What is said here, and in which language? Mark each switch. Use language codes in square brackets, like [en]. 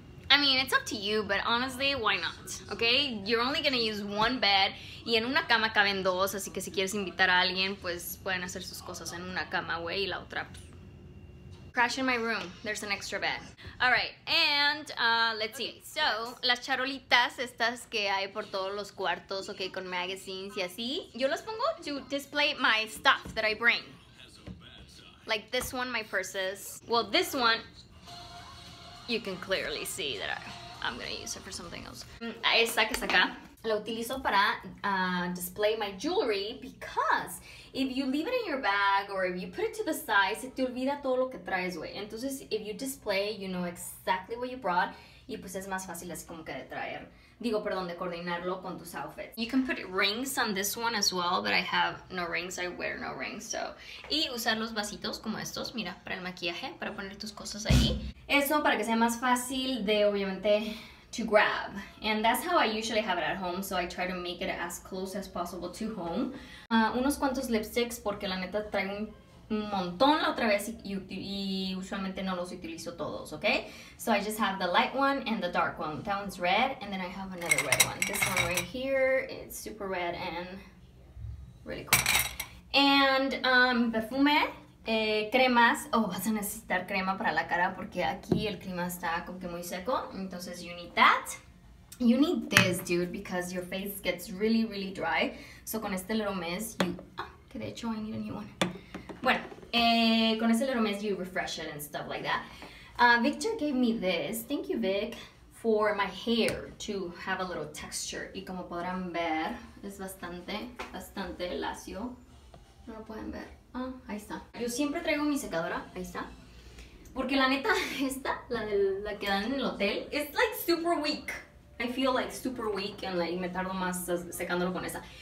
[en] I mean, it's up to you, but honestly, why not, okay? You're only gonna use 1 bed, [es] y en una cama caben 2, así que si quieres invitar a alguien, pues pueden hacer sus cosas en una cama, güey, y la otra... [en] Crash in my room. There's an extra bed. [es] All right, and let's see. [en] So, [es] las charolitas estas que hay por todos los cuartos, [en] okay, con magazines [es] y así. Yo las pongo [en] to display my stuff that I bring. Like this one, my purses. Well, this one, you can clearly see that I'm gonna use it for something else. [es] Esta que está acá, la utilizo para [en] display my jewelry because if you leave it in your bag or if you put it to the side, [es] se te olvida todo lo que traes, güey. Entonces, [en] if you display, you know exactly what you brought [es] y pues es más fácil así como que de traer, digo, perdón, de coordinarlo con tus outfits. [en] You can put rings on this one as well, but I have no rings, I wear no rings, so. [es] Y usar los vasitos como estos, mira, para el maquillaje, para poner tus cosas ahí. [en] Eso para que sea más fácil de, obviamente, to grab, and that's how I usually have it at home, so I try to make it as close as possible to home. [es] Unos cuantos lipsticks, porque la neta traigo un montón la otra vez y usualmente no los utilizo todos, [en] okay? So I just have the light one and the dark one. That one's red, and then I have another red one. This one right here, it's super red and really cool. [es] And perfume, cremas, oh, vas a necesitar crema para la cara porque aquí el clima está como que muy seco, entonces [en] you need that. You need this, dude, because your face gets really, really dry. [es] So con este little mist, you, que de hecho I need a new one. Bueno, con este little mist you refresh it and stuff like that. [en] Victor gave me this, thank you, Vic, for my hair to have a little texture. [es] Y como podrán ver, es bastante, bastante lacio. No lo pueden ver. Ah, ahí está. Yo siempre traigo mi secadora. Ahí está. Porque la neta, esta, la que dan en el hotel, es [en] like super weak. [es] I feel like super weak and like me tardo más secándolo con esa.